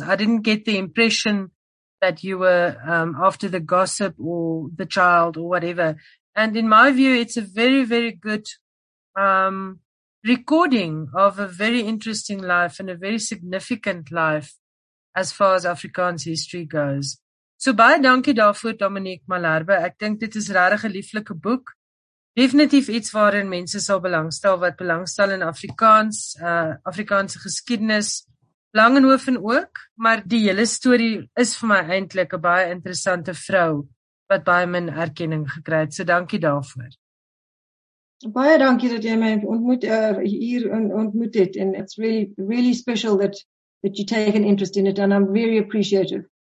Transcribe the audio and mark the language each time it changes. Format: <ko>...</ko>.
<en>I didn't get the impression that you were after the gossip or the child or whatever. And in my view, it's a very, very good recording of a very interesting life and a very significant life as far as Afrikaans history goes.</en> <af>So baie dankie daarvoor, Dominique Malherbe. Ek dink dit is regtig 'n lieflike boek. Definitief iets waarin mense sal belangstel, wat belangstel in Afrikaans, Afrikaanse geskiedenis, Langenhoven ook, maar die hele storie is vir my eintlik 'n baie interessante vrou wat baie min erkenning gekry het. So dankie daarvoor. Baie dankie dat jy my ontmoet hier ontmoet het,</af> <en>and it's really really special that you take an interest in it, and I'm very appreciative.</en>